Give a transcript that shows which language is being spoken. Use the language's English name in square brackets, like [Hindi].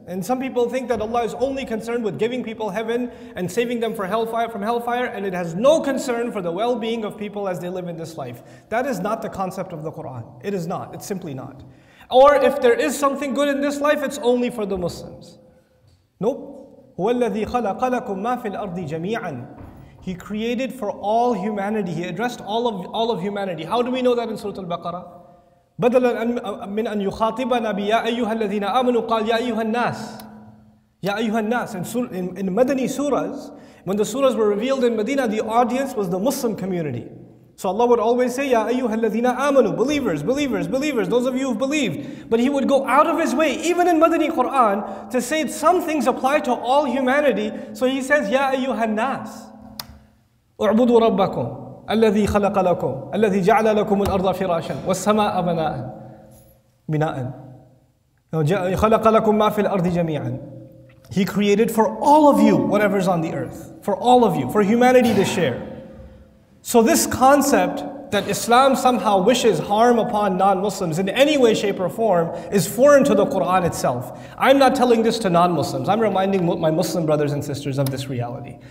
[English] And some people think that Allah is only concerned with giving people heaven and saving them from hellfire, and it has no concern for the well-being of people as they live in this life. That is not the concept of the Quran. It is not. It's simply not. Or if there is something good in this life, it's only for the Muslims. Nope. [Arabic] هو الذي خلق لكم ما في الأرض جميعا. [English] He created for all humanity. He addressed all of humanity. How do we know that in Surah Al-Baqarah? [Arabic] بدلا من أن يخاطبنا بيا أيها الذين آمنوا قال يا أيها الناس يا أيها الناس. [English] In Madani surahs, when the surahs were revealed in Medina, the audience was the Muslim community. So Allah would always say [Arabic] يا أيها الذين آمنوا, [English] believers, believers, believers, those of you who believed. But He would go out of His way, even in Madani Quran, to say some things apply to all humanity. So He says [Arabic] يا أيها الناس اعبدوا ربكم الذي خلق لكم الذي جعل لكم الأرض فراشا والسماء بناء خلق لكم ما في الأرض جميعا. [English] He created for all of you whatever's on the earth, for all of you, for humanity to share. So this concept that Islam somehow wishes harm upon non-Muslims in any way, shape or form is foreign to the Quran itself. I'm not telling this to non-Muslims. I'm reminding my Muslim brothers and sisters of this reality.